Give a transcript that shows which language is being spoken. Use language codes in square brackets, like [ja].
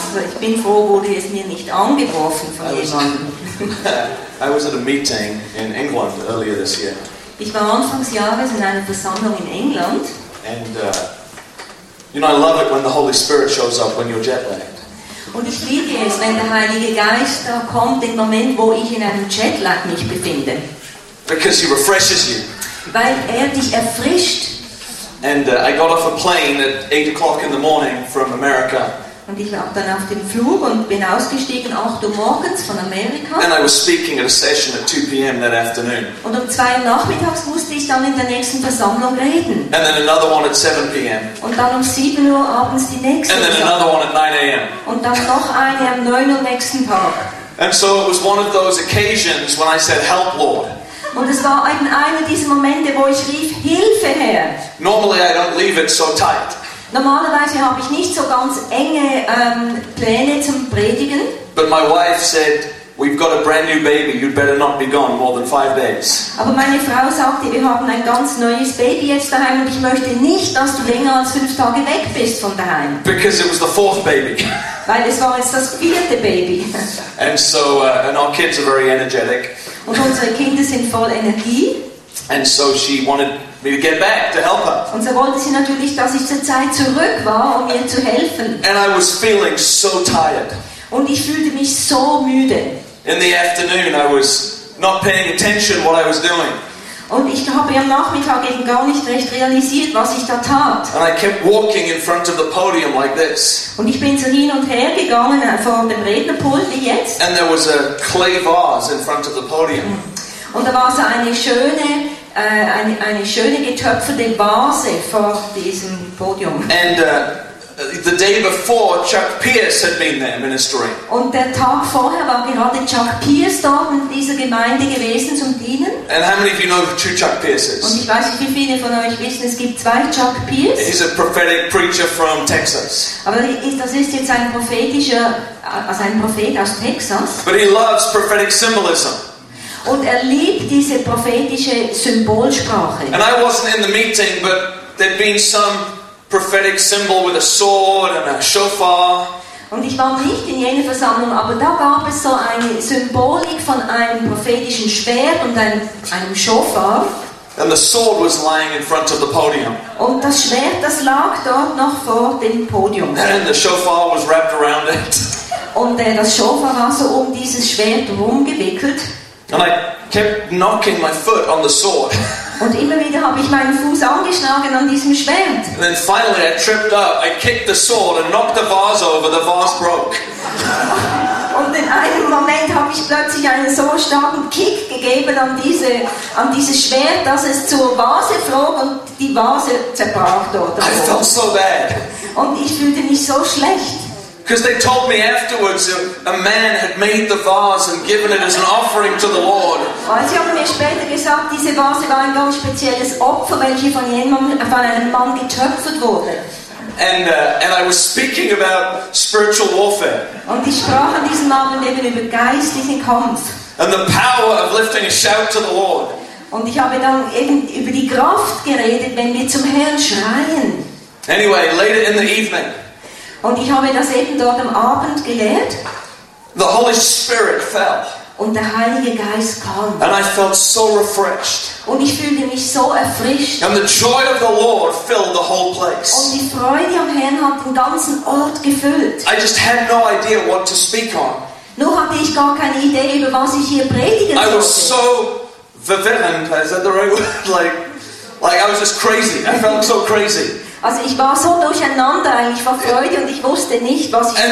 [de] Ich bin froh, wurde es mir nicht angeworfen von jemandem. [en] I was at a meeting in England earlier this year. [de] Ich war anfangs Jahres in einer Versammlung in England. [en] And you know, I love it when the Holy Spirit shows up when you're jet lagged. [de] Und ich liebe es, wenn der Heilige Geist da kommt, im Moment, wo ich in einem Jetlag mich befinde. [en] Because he refreshes you. [de] Weil dich erfrischt. [en] And I got off a plane at 8 o'clock in the morning from America. [de] Und ich war dann auf dem Flug und bin ausgestiegen 8 Uhr morgens von Amerika. [en] And I was speaking at a session at 2 p.m. that afternoon. [de] Und 2 Uhr nachmittags musste ich dann in der nächsten Versammlung reden. [en] And then another one at 7 p.m. [de] Und dann 7 Uhr abends die nächste. [en] And then another one at 9 a.m. [de] Und dann noch eine am 9 Uhr nächsten Tag. [en] And so it was one of those occasions when I said, "Help, Lord." [de] Und es war einer dieser Momente, wo ich rief, "Hilfe, Herr." [en] Normally I don't leave it so tight. [de] Normalerweise habe ich nicht so ganz enge Pläne zum Predigen. [en] But my wife said, "We've got a brand new baby. You'd better not be gone more than 5 days." [de] Aber meine Frau sagte, wir haben ein ganz neues Baby jetzt daheim und ich möchte nicht, dass du länger als 5 Tage weg bist von daheim. [en] Because it was the fourth baby. [de] Weil es war jetzt das vierte Baby. [en] And so, and our kids are very energetic. [de] Und unsere Kinder sind voll Energie. [en] And so she wanted me to get back to help her. [de] Und so wollte sie natürlich, dass ich zur Zeit zurück war, um ihr zu helfen. [en] And I was feeling so tired. [de] Und ich fühlte mich so müde. [en] In the afternoon, I was not paying attention what I was doing. [de] Und ich habe am Nachmittag eben gar nicht recht realisiert, was ich da tat. [en] And I kept walking in front of the podium like this. [de] Und ich bin so hin und her gegangen vor dem Rednerpult wie jetzt. [en] And there was a clay vase in front of the podium. [de] Und da war so eine schöne getöpferte Vase vor diesem Podium. [en] And the day before, Chuck Pierce had been there ministering. [de] Und der Tag vorher war gerade Chuck Pierce da in dieser Gemeinde gewesen zum Dienen. [en] And how many of you know who Chuck Pierce is? [de] Und ich weiß nicht, wie viele von euch wissen, es gibt 2 Chuck Pierce. [en] He's a prophetic preacher from Texas. [de] Aber das ist jetzt ein Prophet aus Texas. [en] But he loves prophetic symbolism. [de] Und liebt diese prophetische Symbolsprache. [en] And I wasn't in the meeting, but there'd been some prophetic symbol with a sword and a shofar. [de] Und ich war nicht in jener Versammlung, aber da gab es so eine Symbolik von einem prophetischen Schwert und einem Shofar. [en] And the sword was lying in front of the podium. [de] Und das Schwert, das lag dort noch vor dem Podium. [en] And the shofar was wrapped around it. [de] Und das Shofar war so dieses Schwert rumgewickelt. [en] And I kept knocking my foot on the sword. [de] Und immer wieder habe ich meinen Fuß angeschlagen an diesem Schwert. [en] And then finally I tripped up, I kicked the sword and knocked the vase over, the vase broke. [de] Und in einem Moment habe ich plötzlich einen so starken Kick gegeben an dieses Schwert, dass es zur Vase flog und die Vase zerbrach dort. [en] I felt so bad. [de] Und ich fühlte mich so schlecht. [en] Because they told me afterwards a man had made the vase and given it as an offering to the Lord. [de] Sie haben mir später gesagt, diese Vase war ein ganz spezielles Opfer, welches von einem Mann getöpfert wurde. [en] And I was speaking about spiritual warfare. [de] Und ich sprach an diesem Abend eben über geistlichen Kampf. [en] And the power of lifting a shout to the Lord. [de] Und ich habe dann eben über die Kraft geredet, wenn wir zum Herrn schreien. [en] Anyway, later in the evening. [de] Und ich habe das eben dort am Abend gelehrt. [en] The Holy Spirit fell. [de] Und der Heilige Geist kam. [en] And I felt so refreshed. [de] Und ich fühlte mich so erfrischt. [en] And the joy of the Lord filled the whole place. [de] Und die Freude am Herrn hat den ganzen Ort gefüllt. [en] I just had no idea what to speak on. [de] Nur hatte ich gar keine Idee, über was ich hier predigen sollte. [en] I was so vivid, is that the right word? Like I was just crazy. I felt so crazy. [de] Also ich war so durcheinander eigentlich vor Freude und ich wusste nicht, was ich sagen